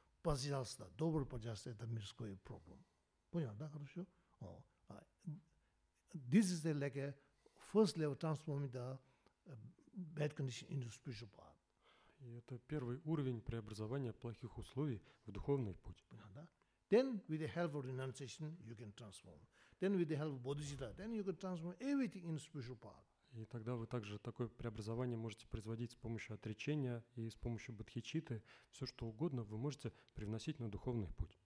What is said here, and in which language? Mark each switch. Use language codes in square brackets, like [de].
[ru] пожалуйста, добро пожалуйста, это мирская проблема. Понял, да, хорошо? [en] This is like a first level transformation, bad condition into spiritual part. [ru] И это первый уровень преобразования плохих условий в духовный путь. Понял, да? [en] Then with the help of renunciation, you can transform. Then with the help of bodhicitta, then you can transform everything into spiritual part. [ru] И тогда вы также такое преобразование можете производить с помощью отречения и с помощью бодхичитты. Все, что угодно, вы можете привносить на духовный путь.